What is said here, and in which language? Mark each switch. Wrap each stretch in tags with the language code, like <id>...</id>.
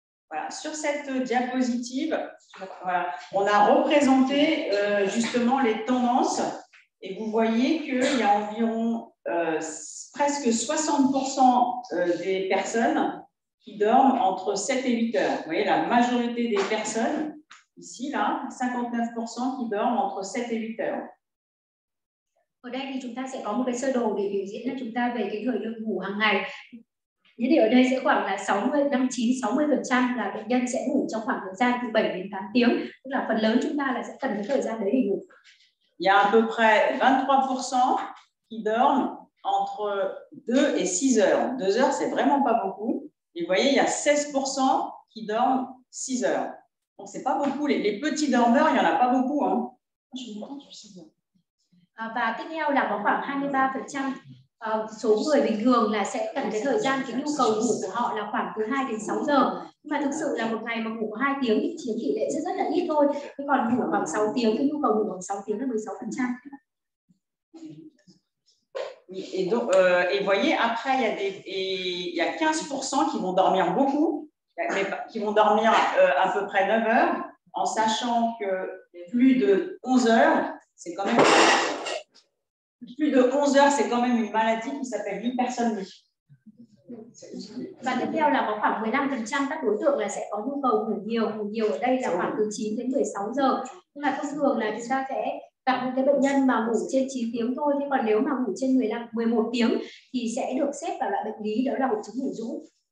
<fr>Voilà, sur cette diapositive, voilà, on a représenté justement les tendances, et vous voyez qu'il y a environ presque 60% des personnes qui dorment entre 7 et 8 heures. Vous voyez la majorité des personnes, ici là, 59% qui dorment entre 7 et 8 heures.</fr> <vi>Ở đây thì chúng ta sẽ có một cái sơ đồ để biểu diễn cho chúng ta về cái thời lượng ngủ hàng ngày. Thế thì ở đây sẽ khoảng là 59-60% là bệnh nhân sẽ ngủ trong khoảng thời gian từ 7 đến 8 tiếng. Tức là phần lớn chúng ta là sẽ cần cái thời gian đấy để ngủ.</vi> <fr>Il y a à peu près 23% qui dorment entre 2 et 6 heures. 2 heures, c'est vraiment pas beaucoup. Et vous voyez, il y a 16% qui dorment 6 heures. Donc c'est pas beaucoup. Les petits dormeurs, il y en a pas beaucoup. Hein.</fr> <vi>Và tiếp theo là có khoảng 23%. Số người bình thường là sẽ cần cái thời gian, cái nhu cầu ngủ của họ là khoảng từ 2 đến 6 giờ. Nhưng mà thực sự là một ngày mà ngủ 2 tiếng thì chiếm tỷ lệ rất là ít thôi. Thế còn ngủ khoảng 6 tiếng, cái nhu cầu ngủ khoảng 6 tiếng là 16%.</vi> <fr>Et donc et voyez après il y a des il y a 15% qui vont dormir beaucoup, mais qui vont dormir à peu près 9 heures en sachant que plus de 11 heures, c'est quand même plus de 11 heures, c'est quand même une maladie qui s'appelle l'hypersomnie.</fr> <vi>Và tiếp theo là có khoảng 15% các đối tượng là sẽ có nhu cầu ngủ nhiều ở đây là khoảng từ 9 đến 16 giờ. Nhưng mà thông thường là chúng ta sẽ gặp những cái bệnh nhân mà ngủ trên 9 tiếng thôi, thế còn nếu mà ngủ trên 15 11 tiếng thì sẽ được xếp vào loại bệnh lý đó là hội chứng ngủ rũ.</vi>